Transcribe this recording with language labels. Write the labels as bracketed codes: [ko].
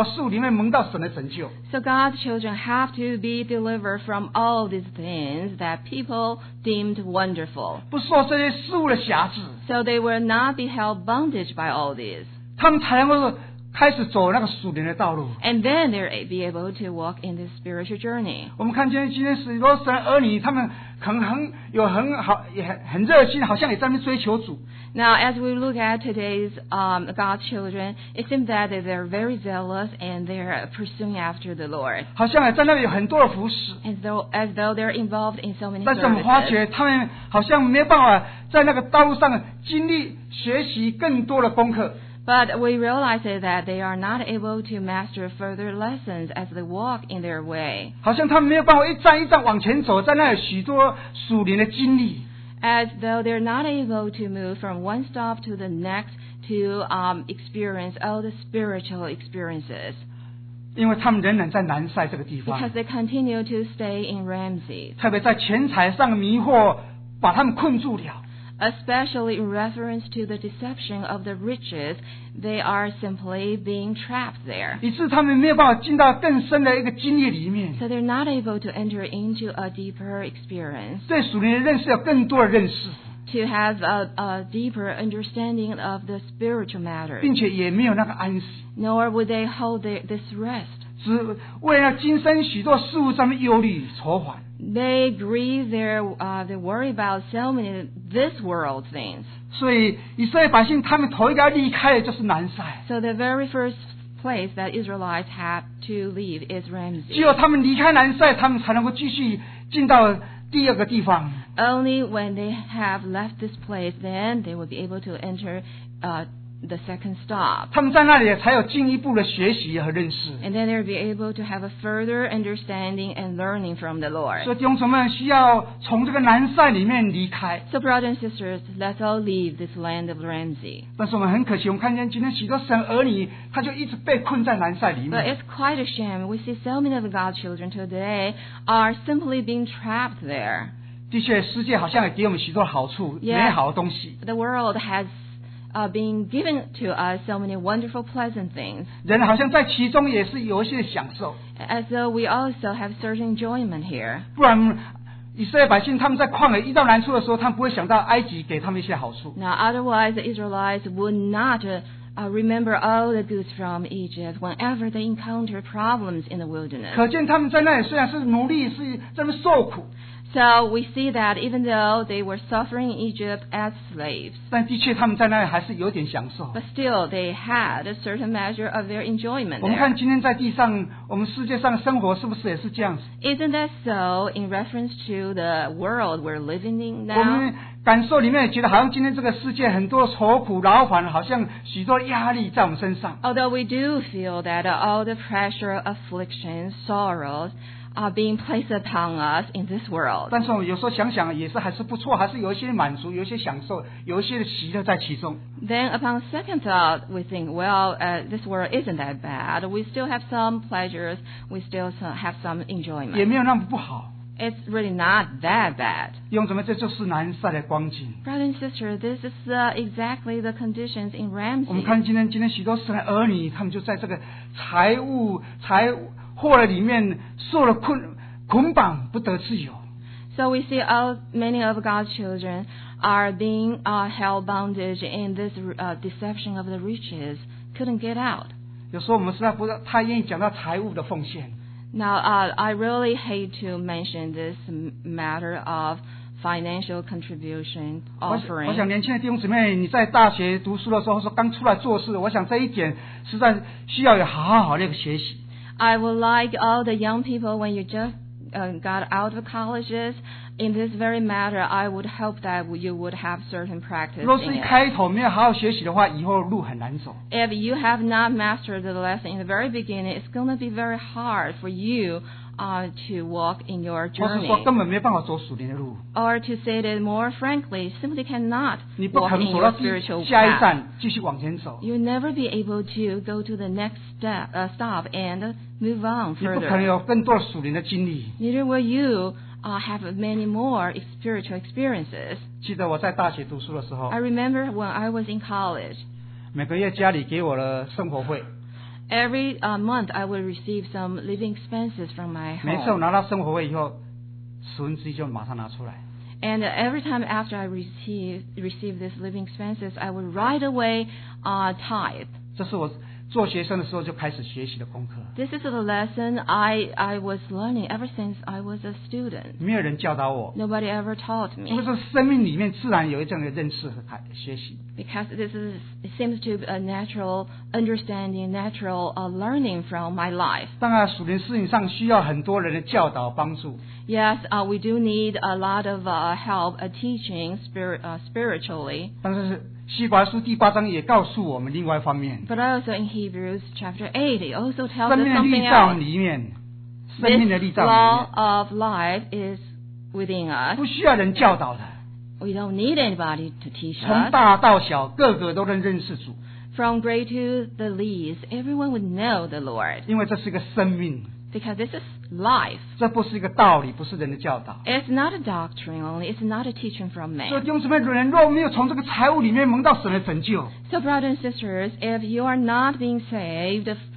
[en] So God's children have to be delivered from all these things that people deemed wonderful. So they will not be held bondage by all these. And then they'll be able to walk in this spiritual journey. [zh] 我们看见今天许多神儿女，他们可能有很好，也很热心，好像也在那边追求主。 [en] Now, as we look at today's God's children, it seems that they're very zealous and they're pursuing after the Lord. [zh] 好像在那边有很多的服侍。 [en] As though they're involved in so many. [zh] 但是我们发觉他们好像没办法在那个道路上经历学习更多的功课。 [en] But we realize that they are not able to master further lessons as they walk in their way. [zh] 好像他们没有办法一站一站往前走，在那有许多属灵的经历。 [en] As though they're not able to move from one stop to the next to experience all the spiritual experiences. [zh] 因为他们仍然在南塞这个地方。 [en] Because they continue to stay in Ramses. [zh] 特别在钱财上迷惑，把他们困住了。 [en] Especially in reference to the deception of the riches, they are simply being trapped there. [zh] 以致他们没有办法进到更深的一个经历里面。 [en] So they're not able to enter into a deeper experience. [zh] 对属灵的认识要更多的认识。 [en] to have a deeper understanding of the spiritual matter. [zh] 并且也没有那个安息。 [en] Nor would they hold this rest. [zh] 只为了今生许多事物上面忧虑愁烦。 [en] They grieve their, they worry about so many this world things. [zh] 所以以色列百姓他们头一个要离开的就是南塞。 [en] So the very first place that Israelites have to leave is Ramses. [zh] 只有他们离开南塞，他们才能够继续进到第二个地方。 [en] Only when they have left this place, then they will be able to enter, the second stop. [zh] 他们在那里才有进一步的学习和认识。 [en] And then they will be able to have a further understanding and learning from the Lord. [zh] 所以弟兄姊妹需要从这个南塞里面离开。 [en] So brothers and sisters, let's all leave this land of Ramsey. [zh] 但是我们很可惜，我们看见今天许多神儿女，他就一直被困在南塞里面。 [en] But it's quite a shame. We see so many of God's children today are simply being trapped there. [zh] 的确，世界好像也给我们许多好处， yeah, 美好的东西。 [en] The world has, been given to us so many wonderful, pleasant things. [zh] 人好像在其中也是有一些享受。 [en] As though we also have certain enjoyment here. [zh] 不然，以色列百姓他们在旷野遇到难处的时候，他们不会想到埃及给他们一些好处。 [en] Now, otherwise, the Israelites would not, remember all the goods from Egypt whenever they encounter problems in the wilderness. [zh] 可见他们在那里虽然是奴隶，是在那边受苦。 [en] So we see that even though they were suffering in Egypt as slaves, [zh] 但的确他们在那里还是有点享受。 [en] But still, they had a certain measure of their enjoyment. [zh] 我们看今天在地上，我们世界上生活是不是也是这样子？ [en] Isn't that so in reference to the world we're living in now? [zh] 我们感受里面觉得好像今天这个世界很多愁苦劳烦，好像许多压力在我们身上。 [en] Although we do feel that all the pressure, afflictions, sorrows. Being placed upon us in this world. [zh] 但是我有时候想想也是还是不错，还是有一些满足，有一些享受，有一些喜乐在其中。 [en] Then upon second thought, we think, well, this world isn't that bad. We still have some pleasures. We still have some enjoyment. [zh] 也没有那么不好。 [en] It's really not that bad. [zh] 弟兄姊妹，这就是南塞的光景。 [en] Brother and sister, this is exactly the conditions in Ramsey. [zh] 我们看今天许多神的儿女，他们就在这个财务祸了里面受了捆绑不得自由。 [en] So we see all, many of God's children are being held bondage in this deception of the riches, couldn't get out. [zh] 有时候我们实在不太愿意讲到财务的奉献。 [en] Now I really hate to mention this matter of financial contribution offering. [zh] 我想年轻的弟兄姊妹，你在大学读书的时候说刚出来做事，我想这一点实在需要有好的一个学习。 [en] I would like all the young people when you just got out of colleges in this very matter, I would hope that you would have certain practice. [zh] 若是一开头没有好好学习的话，以后路很难走。 [en] If you have not mastered the lesson in the very beginning, it's going to be very hard for you to walk in your journey. [zh] 或是说根本没办法走属灵的路。 [en] Or to say it more frankly, simply cannot walk spiritual path. [zh] 你不肯走到下一站继续往前走。 [en] You'll never be able to go to the next stop and move on further. [zh] 你不可能有更多属灵的经历。 [en] Neither will you have many more spiritual experiences. [zh] 记得我在大学读书的时候。 [en] I remember when I was in college. [zh] 每个月家里给我的生活费。 [en] Every month, I would receive some living expenses from my home. [zh] 每次我拿到生活费以后，十分之一就马上拿出来。 [en] And every time after I receive these living expenses, I would right away tithe. [zh] 这是我做学生的时候就开始学习的功课。 [en] This is the lesson I was learning ever since I was a student. [zh] 没有人教导我。 [en] Nobody ever taught me. [zh] 因为这生命里面自然有一种认识和学习。 [en] Because this is, it seems to be a natural understanding, natural learning from my life. [zh] 当然，属灵事情上需要很多人的教导帮助。 [en] Yes, we do need a lot of help, teaching spiritually. [zh] 但是希伯来书第八章也告诉我们另外一方面。 [en] But also in Hebrews chapter 8, it also tells us something else. [zh] 生命的立杖里面，生命的立杖里面。 [en] This law of life is within us. [zh] 不需要人教导的。 [en] We don't need anybody to teach us. [zh] 从大到小，个个都能认识主。 [en] From great to the least, everyone would know the Lord. [zh] 因为这是一个生命。 [en] Because this is life. [zh] 这不是一个道理，不是人的教导。 [en] It's not a doctrine only. It's not a teaching from man. [zh] 所以弟兄姊妹，人若没有从这个财务里面蒙到神的拯救。 [en] So brothers and sisters, if you are not being saved